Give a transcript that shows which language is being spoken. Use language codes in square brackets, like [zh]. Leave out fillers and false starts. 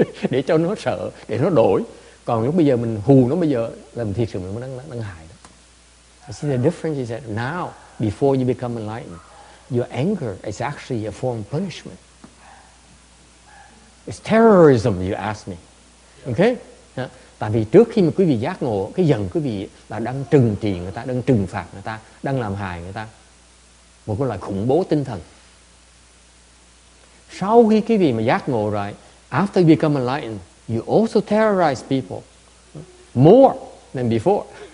[vi] Để cho nó sợ, để nó đổi. Còn lúc bây giờ mình hù nó bây giờ là mình thiệt sự mình muốn đáng hại đó. [en] I see the difference is that now, before you become enlightened, your anger is actually a form of punishment. It's terrorism, you ask me. Okay? Yeah. [vi] Tại vì trước khi mà quý vị giác ngộ, cái giận quý vị là đang trừng trị người ta, đang trừng phạt người ta, đang làm hại người ta. Một cái loại khủng bố tinh thần. Sau khi quý vị mà giác ngộ rồi, [en] after you become enlightened, you also terrorize people more than before.